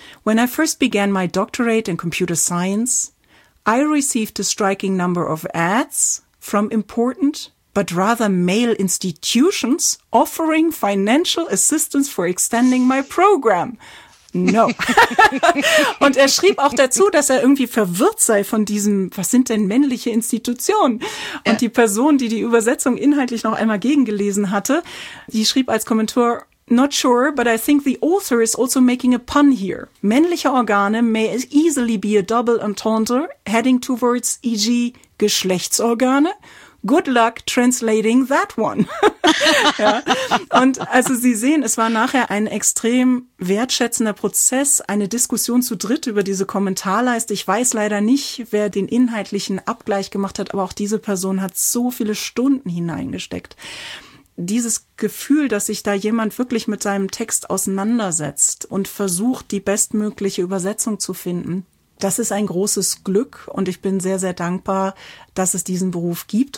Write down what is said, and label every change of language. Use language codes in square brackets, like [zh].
[en] When I first began my doctorate in computer science, I received a striking number of ads from important but rather male institutions offering financial assistance for extending my program. No. [de] Und er schrieb auch dazu, dass er irgendwie verwirrt sei von diesem, was sind denn männliche Institutionen? Und die Person, die die Übersetzung inhaltlich noch einmal gegengelesen hatte, die schrieb als Kommentar: [en] Not sure, but I think the author is also making a pun here. [de] Männliche Organe [en] may easily be a double entendre heading towards e.g. [de] Geschlechtsorgane. [en] Good luck translating that one. [de] Ja. Und also Sie sehen, es war nachher ein extrem wertschätzender Prozess, eine Diskussion zu dritt über diese Kommentarleiste. Ich weiß leider nicht, wer den inhaltlichen Abgleich gemacht hat, aber auch diese Person hat so viele Stunden hineingesteckt. Dieses Gefühl, dass sich da jemand wirklich mit seinem Text auseinandersetzt und versucht, die bestmögliche Übersetzung zu finden, das ist ein großes Glück und ich bin sehr, sehr dankbar, dass es diesen Beruf gibt.